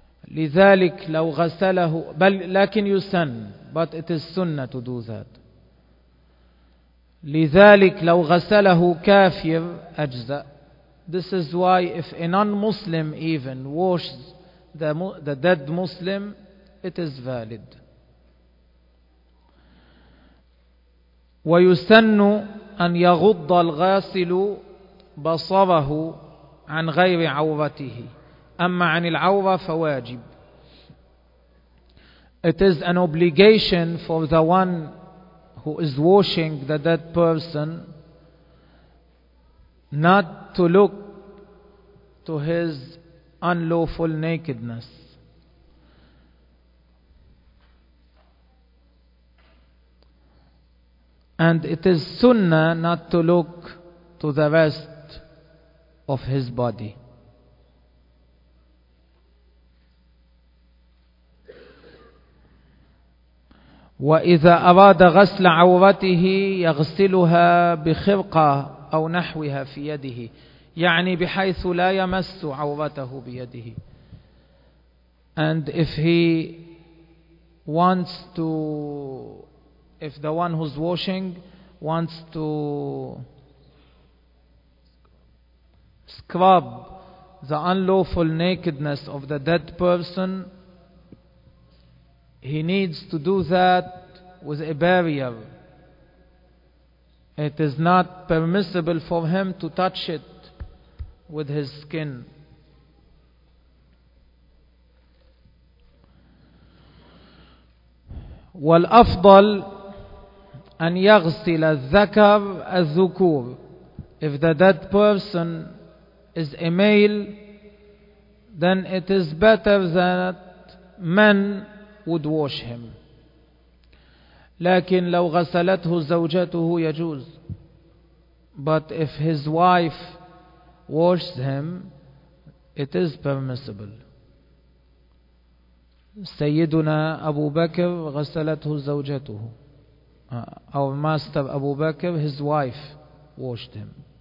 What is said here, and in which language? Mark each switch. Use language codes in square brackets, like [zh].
[ar] لذلك لو غسله بل لكن يسن, [en] but it is sunnah to do that. [ar] لذلك لو غسله كافر أجزأ. [en] This is why if a non-Muslim even washes the dead Muslim, it is valid. [ar] ويسن أن يغض الغاسل بصره عن غير عورته, أما عن العورة فواجب. [en] It is an obligation for the one who is washing the dead person not to look to his unlawful nakedness. And it is sunnah not to look to the rest of his body. [ar] وإذا أراد غسل عورته يغسلها بخرقة أو نحوها في يده, يعني بحيث لا يمس عورته بيده. [en] And if he wants to, if the one who's washing wants to scrub the unlawful nakedness of the dead person, he needs to do that with a barrier. It is not permissible for him to touch it with his skin. [ar] والأفضل أن يغسل الذكر الذكور. [en] If the dead person is a male, then it is better that men would wash him. [ar] لكن لو غسلته زوجته يجوز. [en] But if his wife washes him, it is permissible. [ar] سيدنا أبو بكر غسلته زوجته. [en] Our master Abu Bakr, his wife washed him.